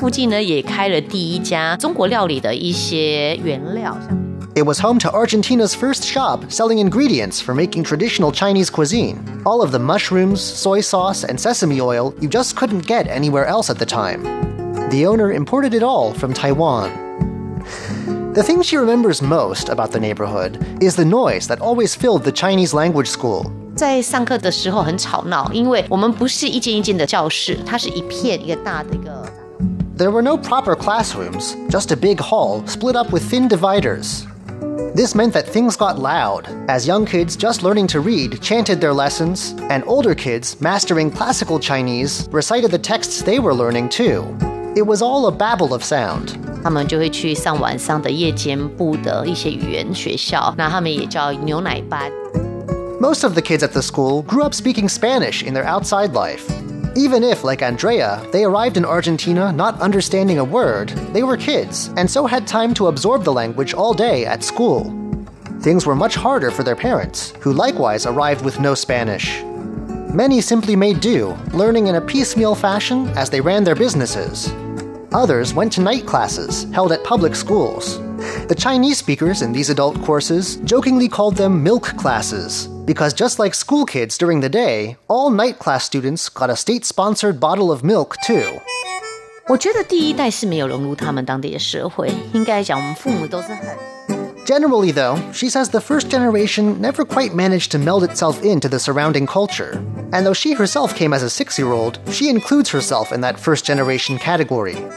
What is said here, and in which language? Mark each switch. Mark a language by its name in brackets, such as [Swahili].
[English] It was home to Argentina's first shop selling ingredients for making traditional Chinese cuisine. All of the mushrooms, soy sauce, and sesame oil you just couldn't get anywhere else at the time. The owner imported it all from Taiwan. The thing she remembers most about the neighborhood is the noise that always filled the Chinese language school, [Chinese] 在上课的时候很吵闹，因为我们不是一间一间的教室，它是一片一个大的一个。 [English] There were no proper classrooms, just a big hall split up with thin dividers. This meant that things got loud, as young kids just learning to read chanted their lessons, and older kids mastering classical Chinese recited the texts they were learning too. It was all a babble of sound. [Chinese] 他们就会去上晚上的夜间部的一些语言学校，那他们也叫牛奶班。 [English] Most of the kids at the school grew up speaking Spanish in their outside life. Even if, like Andrea, they arrived in Argentina not understanding a word, they were kids, and so had time to absorb the language all day at school. Things were much harder for their parents, who likewise arrived with no Spanish. Many simply made do, learning in a piecemeal fashion as they ran their businesses. Others went to night classes held at public schools. The Chinese speakers in these adult courses jokingly called them milk classes, because just like school kids during the day, all night class students got a state-sponsored bottle of milk too. [Chinese] 我觉得第一代是没有融入他们当地的社会，应该讲我们父母都是很。 [English] Generally though, she says the first generation never quite managed to meld itself into the surrounding culture. And though she herself came as a six-year-old, she includes herself in that first generation category.